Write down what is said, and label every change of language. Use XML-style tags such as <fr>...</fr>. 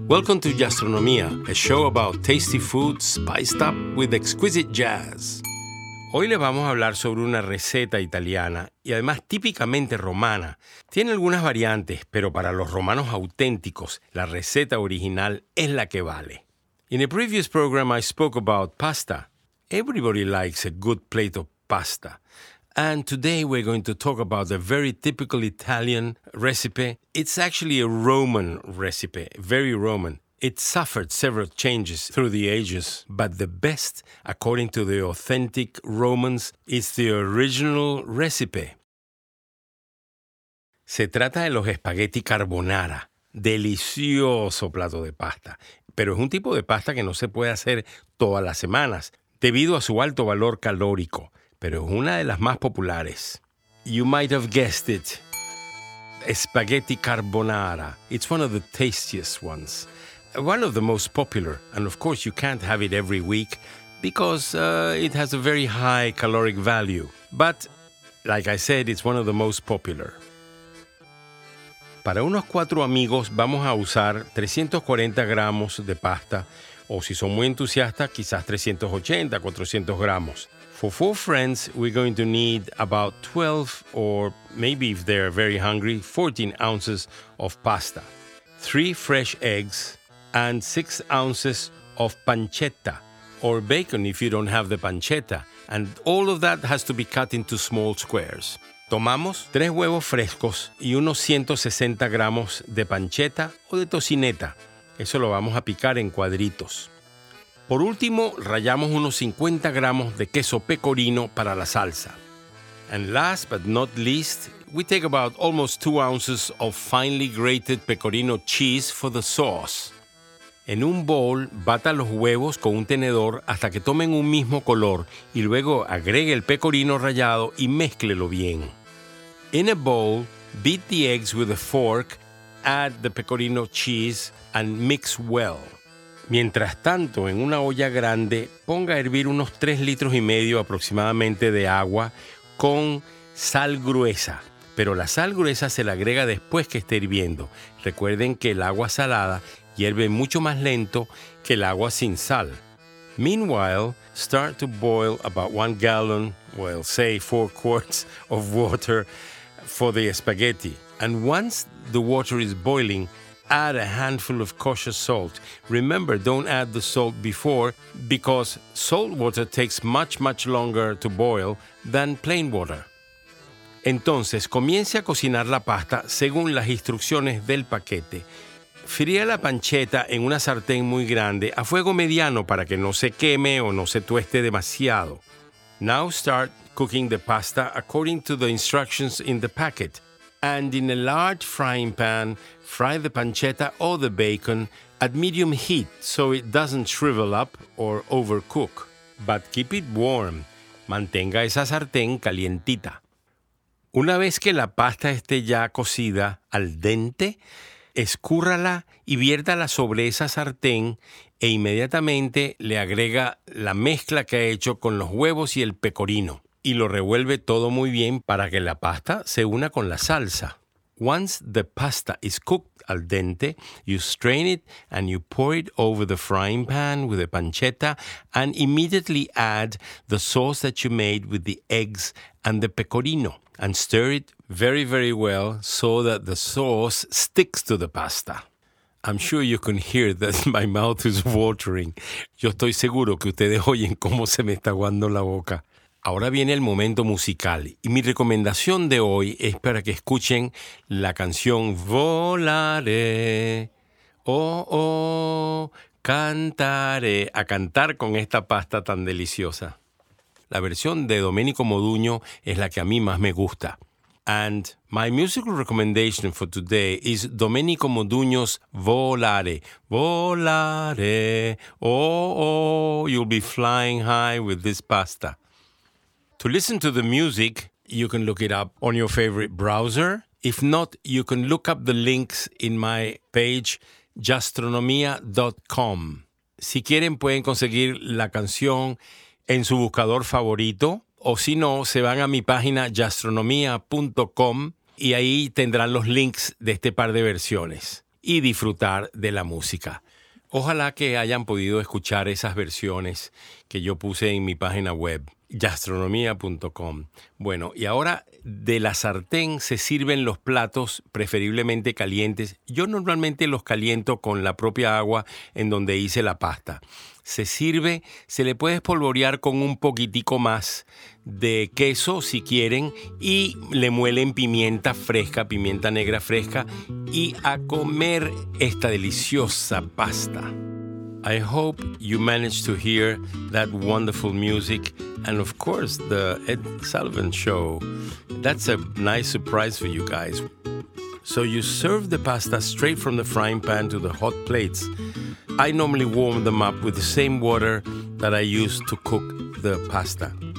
<en>Welcome to Gastronomía, a show about tasty food spiced up with exquisite jazz.</en> <es>Hoy les vamos a hablar sobre una receta italiana y además típicamente romana. Tiene algunas variantes, pero para los romanos auténticos, la receta original es la que vale.</es> <en>In a previous program I spoke about pasta. Everybody likes a good plate of pasta. And today we're going to talk about a very typical Italian recipe. It's actually a Roman recipe, very Roman. It suffered several changes through the ages, but the best, according to the authentic Romans, is the original recipe.</en> <es>Se trata de los spaghetti carbonara, delicioso plato de pasta, pero es un tipo de pasta que no se puede hacer todas las semanas, debido a su alto valor calórico, pero es una de las más populares.</es> <en>You might have guessed it. Spaghetti carbonara. It's one of the tastiest ones. One of the most popular, and of course you can't have it every week because it has a very high caloric value. But, like I said, it's one of the most popular.</en> <es>Para unos cuatro amigos vamos a usar 340 gramos de pasta, o si son muy entusiastas, quizás 380, 400 gramos.</es> <en>For four friends, we're going to need about 12, or maybe if they're very hungry, 14 ounces of pasta. Three fresh eggs, and 6 ounces of pancetta, or bacon if you don't have the pancetta, and all of that has to be cut into small squares.</en> <es>Tomamos 3 huevos frescos y unos 160 gramos de pancetta o de tocineta. Eso lo vamos a picar en cuadritos. Por último, rallamos unos 50 gramos de queso pecorino para la salsa.</es> <en>And last but not least, we take about almost 2 ounces of finely grated pecorino cheese for the sauce.</en> <es>En un bowl, bata los huevos con un tenedor hasta que tomen un mismo color y luego agregue el pecorino rallado y mézclelo bien.</es> <en>In a bowl, beat the eggs with a fork, add the pecorino cheese and mix well.</en> <es>Mientras tanto, en una olla grande, ponga a hervir unos 3 litros y medio aproximadamente de agua con sal gruesa. Pero la sal gruesa se la agrega después que esté hirviendo. Recuerden que el agua salada hierve mucho más lento que el agua sin sal.</es> <en>Meanwhile, start to boil about 1 gallon, well, say 4 quarts of water for the spaghetti. And once the water is boiling, add a handful of kosher salt. Remember, don't add the salt before, because salt water takes much, much longer to boil than plain water.</en> <es>Entonces, comience a cocinar la pasta según las instrucciones del paquete. Fría la pancetta en una sartén muy grande a fuego mediano para que no se queme o no se tueste demasiado.</es> <en>Now start cooking the pasta according to the instructions in the packet. And in a large frying pan, fry the pancetta or the bacon at medium heat so it doesn't shrivel up or overcook. But keep it warm.</en> <es>Mantenga esa sartén calientita. Una vez que la pasta esté ya cocida al dente, escúrrala y viértala sobre esa sartén e inmediatamente le agrega la mezcla que ha hecho con los huevos y el pecorino y lo revuelve todo muy bien para que la pasta se una con la salsa.</es> <en>Once the pasta is cooked al dente, you strain it and you pour it over the frying pan with the pancetta and immediately add the sauce that you made with the eggs and the pecorino and stir it very, very well so that the sauce sticks to the pasta. I'm sure you can hear that my mouth is watering.</en> <es>Yo estoy seguro que ustedes oyen cómo se me está aguando la boca. Ahora viene el momento musical y mi recomendación de hoy es para que escuchen la canción Volare, oh, oh, cantare, a cantar con esta pasta tan deliciosa. La versión de Domenico Modugno es la que a mí más me gusta.</es> <en>And my musical recommendation for today is Domenico Modugno's Volare. Volare, oh, oh, you'll be flying high with this pasta. To listen to the music, you can look it up on your favorite browser. If not, you can look up the links in my page, gastronomia.com.</en> <es>Si quieren, pueden conseguir la canción en su buscador favorito o si no, se van a mi página gastronomía.com y ahí tendrán los links de este par de versiones y disfrutar de la música. Ojalá que hayan podido escuchar esas versiones que yo puse en mi página web, gastronomía.com. Bueno, y ahora de la sartén se sirven los platos preferiblemente calientes. Yo normalmente los caliento con la propia agua en donde hice la pasta. Se sirve, se le puede espolvorear con un poquitico más de queso si quieren y le muelen pimienta fresca, pimienta negra fresca, y a comer esta deliciosa pasta.</es> <en>I hope you managed to hear that wonderful music and of course the Ed Sullivan Show. That's a nice surprise for you guys. So you serve the pasta straight from the frying pan to the hot plates. I normally warm them up with the same water that I use to cook the pasta.</en>